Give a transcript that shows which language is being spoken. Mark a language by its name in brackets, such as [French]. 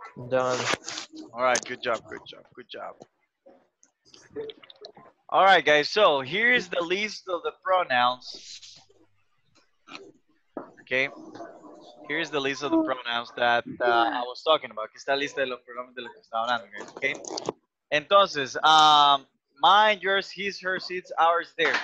[English] Done. All right. Good job. All right, guys. So here is the list of the pronouns. Okay. Here is the list of the pronouns that I was talking about. [Spanish] Esta lista de los pronombres de los que estaba hablando, guys. [English] Okay. Entonces, mine, yours, his, hers, it's, ours, there.